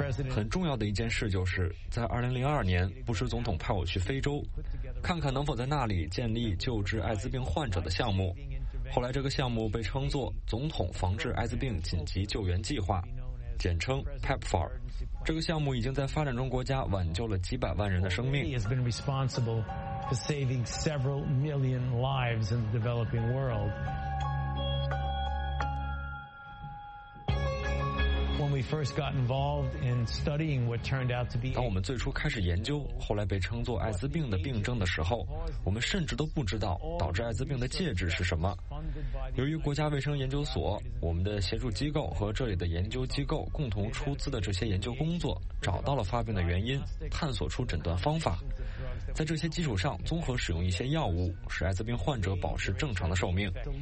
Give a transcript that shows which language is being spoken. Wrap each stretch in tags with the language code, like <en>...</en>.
<zh>很重要的一件事就是，在2002年，布什总统派我去非洲，看看能否在那里建立救治艾滋病患者的项目。后来这个项目被称作总统防治艾滋病紧急救援计划，简称 PEPFAR。这个项目已经在发展中国家挽救了几百万人的生命。</zh> <en>He has been responsible for saving several million lives in the developing world. When we first got involved in studying what turned out to be</en> <zh>当我们最初开始研究后来被称作艾滋病的病症的时候，我们甚至都不知道导致艾滋病的介质是什么。由于国家卫生研究所、我们的协助机构和这里的研究机构共同出资的这些研究工作，找到了发病的原因，探索出诊断方法，在这些基础上综合使用一些药物，使艾滋病患者保持正常的寿命。</zh>